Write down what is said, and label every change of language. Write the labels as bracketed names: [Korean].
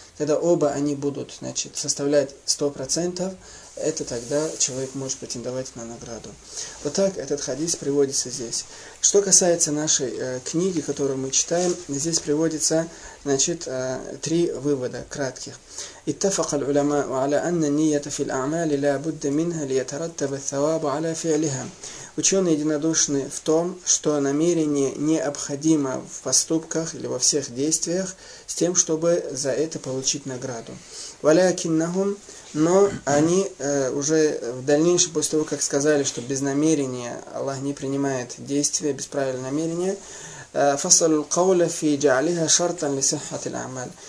[Russian] Когда оба они будут, значит, составлять 100%, это тогда человек может претендовать на награду. Вот так этот хадис приводится здесь. Что касается нашей книги, которую мы читаем, здесь приводится, значит, три вывода кратких. [Arabic] اتفق العلماء على أن النية في الأعمال لا بد منها ليترتب الثواب على فعلها. [Russian] Ученые единодушны в том, что намерение необходимо в поступках или во всех действиях с тем, чтобы за это получить награду. [Arabic] ولكنهم, [Russian] но они уже в дальнейшем, после того, как сказали, что без намерения Аллах не принимает действия, без правильного намерения, [Arabic] فصل القول في جعلها شرطا لصحة الأعمال.